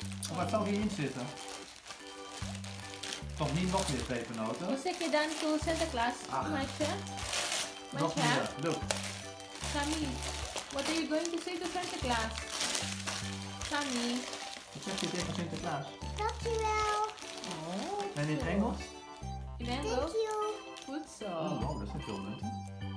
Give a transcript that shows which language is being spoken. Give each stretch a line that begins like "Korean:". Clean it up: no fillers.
Dutch: Oh, wat zal hierin zitten? Toch niet nog meer pepernoten? Hoe zeg je dan toe Sinterklaas? Nog meer.
English: Look. Sammy, what are you going to say to Sinterklaas? Sammy.
Dutch: Wat zeg je tegen Sinterklaas? Dankjewel. Oh, en in Engels? In Engels?
English: Thank you.
Dutch: Goed zo. Oh, wow, dat is een veel mensen.